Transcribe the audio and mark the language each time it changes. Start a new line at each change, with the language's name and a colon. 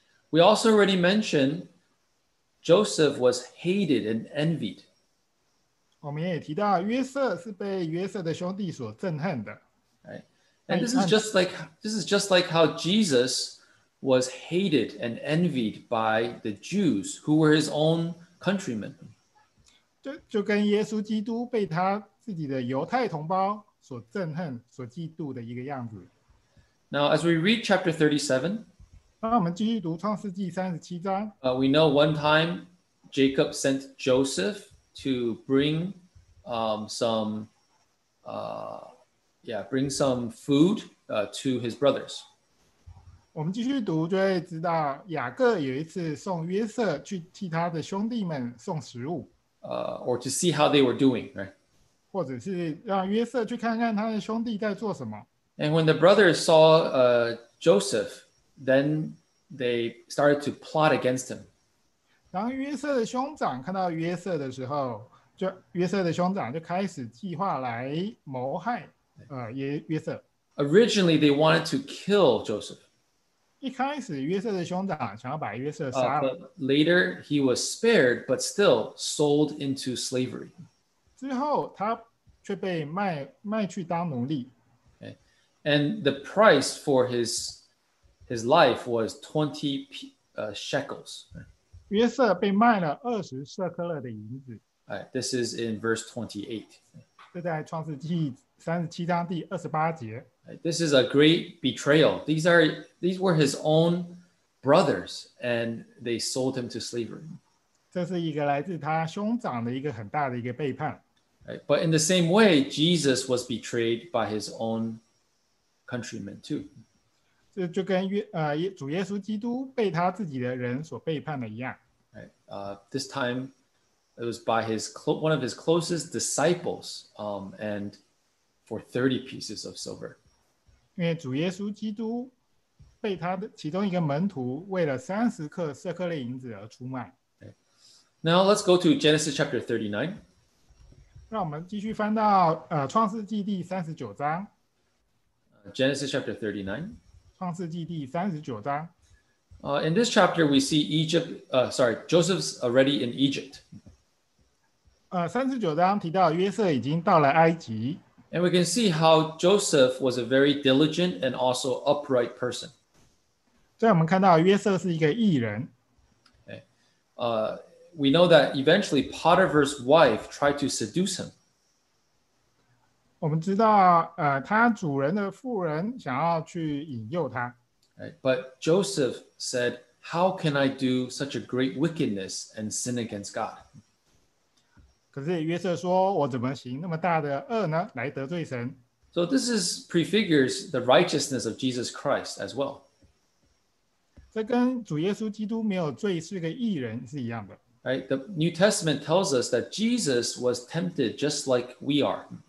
English: We also already mentioned Joseph was hated and envied.
Chinese: 我们也提到约瑟是被约瑟的兄弟所憎恨的。
English: And this is just like how Jesus was hated and envied by the Jews who were his own countrymen.
Chinese: 就跟耶稣基督被他自己的犹太同胞所憎恨、所嫉妒的一个样子。
English: Now, as we read chapter 37,
Chinese: 那我们继续读创世纪三十七章。
English: We know one time Jacob sent Joseph to bring some food to his brothers.
Chinese: 我们继续读就会知道雅各有一次送约瑟去替他的兄弟们送食物。
English: Or to see how they were doing, right?
Chinese: 或者是让约瑟去看看他的兄弟在做什么。
English: And when the brothers saw Joseph, then they started to plot against him.
Chinese: 当约瑟的兄长看到约瑟的时候，就约瑟的兄长就开始计划来谋害。约瑟。
English: Originally, they wanted to kill Joseph.
Chinese: 一开始，约瑟的兄长想要把约瑟杀了。
English: But later, he was spared, but still sold into slavery.
Chinese: 之后，他却被卖去当奴隶。
English: Okay. And the price for his life was 20 shekels.
Chinese: 约瑟被卖了二十舍克勒的银子。
English: This is in verse 28.
Chinese: 这在创世纪37章第28节。
English: This is a great betrayal. These were his own brothers, and they sold him to slavery.
Chinese: 这是一个来自他兄长的一个很大的一个背叛。
English: But in the same way, Jesus was betrayed by his own countrymen too.
Chinese: 这就跟主耶稣基督被他自己的人所背叛的一样。
English: This time, it was by one of his closest disciples, and for 30 pieces of silver.
Chinese: 因为主耶稣基督被他的其中一个门徒为了三十克色克勒银子而出卖。
English: Now let's go to Genesis chapter 39.
Chinese: 让我们继续翻到创世纪第三十九章。
English: Genesis chapter 39.
Chinese: 创世纪第三十九章。
English: In this chapter, we see Joseph's already in Egypt.
Chinese: 三十九章提到约瑟已经到了埃及。
English: And we can see how Joseph was a very diligent and also upright person.
Chinese: 所以我们看到约瑟是一个义人。
English: We know that eventually Potiphar's wife tried to seduce him.
Chinese: 我们知道他主人的妇人想要去引诱他。
English: But Joseph said, how can I do such a great wickedness and sin against God?
Chinese: 可是约瑟说，我怎么行那么大的恶呢，来得罪神。
English: So this is prefigures the righteousness of Jesus Christ as well.
Chinese: 这跟主耶稣基督没有罪是个义人是一样的。
English: Right? The New Testament tells us that Jesus was tempted just like we are.